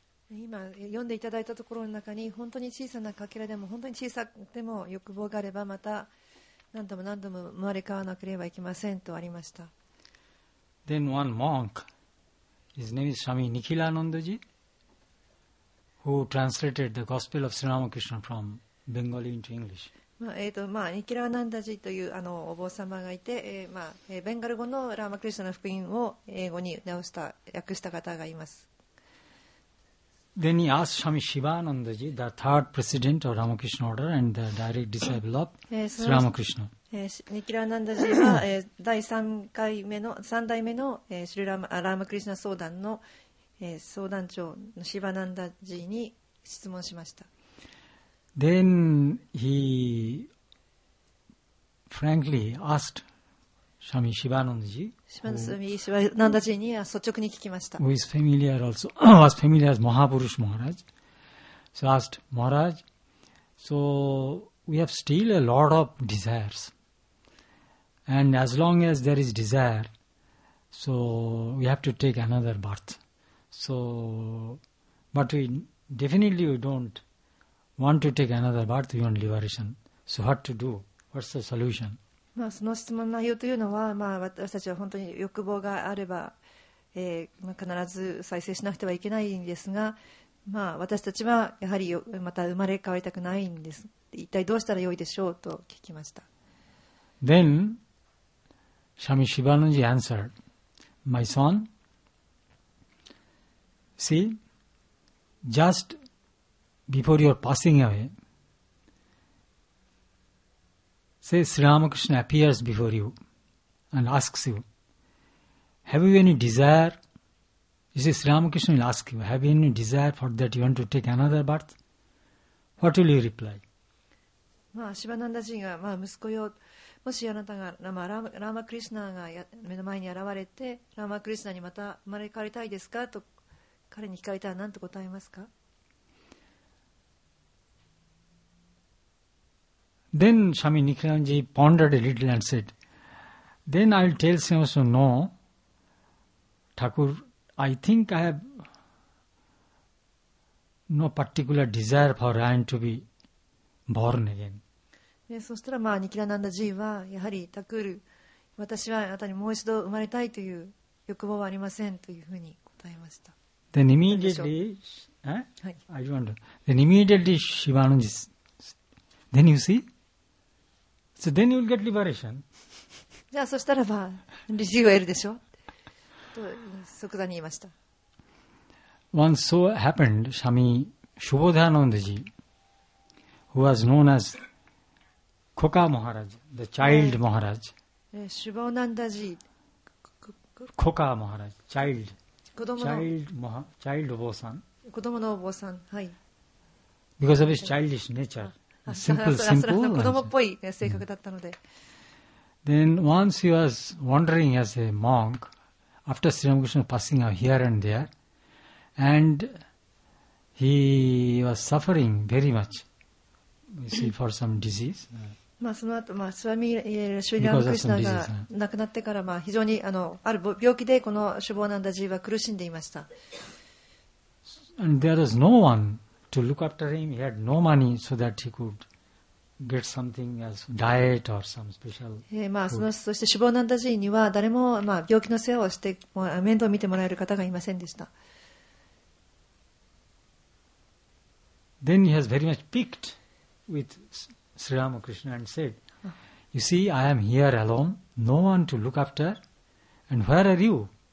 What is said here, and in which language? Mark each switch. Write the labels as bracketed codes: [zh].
[ja] 今読んでいただいたところの中に、本当に小さなかけらでも、本当に小さくても欲望があれば、また何度も何度も生まれ変わなければいけませんとありました。 [en] Then one monk, his name is Swami Nikhilanandaji, who translated the Gospel of Sri Ramakrishna from Bengali into English. [ja] ニキラナンダジというあのお坊様がいて、ベンガル語のラーマクリスチャンの福音を英語に直した訳した方がいます。 [en] Then he asked Swami Sivanandaji, the third president of Ramakrishna order and the direct disciple of Sri Ramakrishna. [ja] ニキラナンダジは第3回目の3代目のシルラーマクリスチャン相談の相談長のシバナンダジに質問しました。 [en] Then he frankly asked Swami Sivanandaji. [ja] Sivanandaji に率直に聞きました。 [en] Who is familiar also was familiar as Mahapurush Maharaj. So asked Maharaj, so we have still a lot of desires, and as long as there is desire, so we have to take another birth. So, but we definitely we don't. Want to take another birth beyond liberation. So what to do? What's the solution? [ja] まあその質問の内容というのは、まあ私たちは本当に欲望があれば、必ず再生しなくてはいけないんですが、まあ私たちはやはりまた生まれ変わりたくないんです。一体どうしたらよいでしょうと聞きました。 [en] Then, Swami Sivanandaji answered, "My son, see, just." Before your passing away, say Sri Ramakrishna appears before you and asks you, have you any desire? You see, Sri Ramakrishna will ask you, have you any desire for that you want to take another birth? What will you reply? [ja] まあ、シバナンダジが、まあ、息子よ、もしあなたが、まあ、ラーマクリシナが目の前に現れて、ラーマクリシナにまた生まれ変わりたいですかと彼に聞かれたら何と答えますか？ [en] Then Swami Nikhilanandaji pondered a little and said, Then I will tell Sri Ramakrishna, no, Thakur, I think I have no particular desire for I am to be born again. [ja] そしたら、まあ、ニキラナンダジーは、やはり、タクール、私はあなたにもう一度生まれたいという欲望はありませんというふうに答えました。 [en] Then immediately, I wonder, then immediately Sivanandaji, then you see,So then you will get liberation. [ja] じゃあそしたらば、自由を得るでしょうと即座に言いました。 [en] Once so happened, Swami Shubhodhanandaji, who was known as Koka Maharaj, the child Maharaj. Shubhodhanandaji. Koka Maharaj, child. [ja] 子供の [en] child, child お坊さん。 [ja] 子供のお坊さん、はい。 [en] Because of his childish nature. simple. [ja] 子供っぽい性格だったので。 [en] Then once he was wandering as a monk, after Sri Ramakrishna passing out here and there, and he was suffering very much, you see, for some disease. [ja] まあその後、まあ、スワミ・シュリラム・クリシュナが亡くなってから、まあ、非常に ある病気でこのシュボーナンダジーは苦しんでいました。 [en] And there was no one to look after him. He had no money so that he could get something as diet or some special food. [ja] まあ、そしてシュボーナンダジーには誰も、まあ、病気の世話をして面倒を見てもらえる方がいませんでした。 [en] Then he has very much piqued with Sri Ramakrishna and said, "You see, I am here alone, no one to look after, and where are you?